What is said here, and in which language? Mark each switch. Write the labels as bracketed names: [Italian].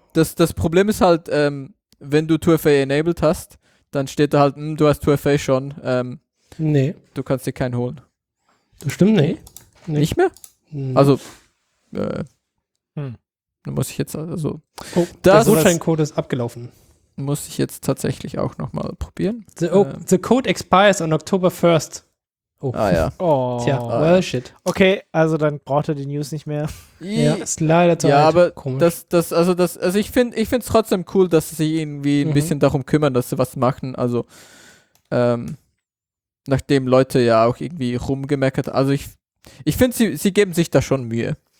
[German] Das Problem ist halt, wenn du 2FA enabled hast, dann steht da halt, du hast 2FA schon. Nee. Du kannst dir keinen holen. Das stimmt, nee. Nee. Nicht mehr? Nee. Also, Da muss ich jetzt, also. Oh, der Gutscheincode ist abgelaufen. Muss ich jetzt tatsächlich auch nochmal probieren. [English] The code expires on October 1st. [German] Oh. Ah ja. Oh. [English] Tja, well, shit. [German] Okay, also dann braucht er die News nicht mehr. Ja, ist leider zu alt. Ja, aber komisch. Also ich finde es trotzdem cool, dass sie sich irgendwie ein bisschen darum kümmern, dass sie was machen. Also nachdem Leute ja auch irgendwie rumgemeckert, also ich finde, sie geben sich da schon Mühe.